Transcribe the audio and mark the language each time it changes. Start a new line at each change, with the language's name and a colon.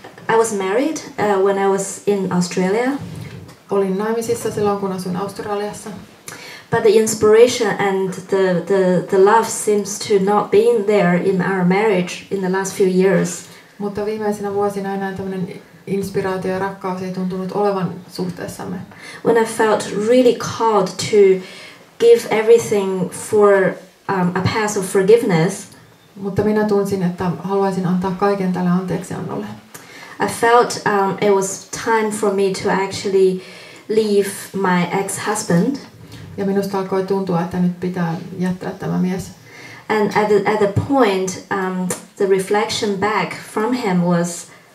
English: I was married when I was in Australia.
Finnish: Olin naimisissa silloin kun asuin Australiassa.
English: But the inspiration and the love seems to not been there in our marriage in the last few years.
Finnish: Mutta viimeisinä vuosina enää tämmöinen inspiraatio ja rakkaus ei tuntunut olevan suhteessamme.
English: When I felt really called to give everything for a path of forgiveness.
Finnish: Mutta minä tunsin, että haluaisin antaa kaiken tälle anteeksiannolle.
English: I felt it was time for me to actually leave my ex-husband.
Finnish: Ja minusta alkoi tuntua, että nyt pitää jättää tämä mies.
English: And at the point the reflection back from him was.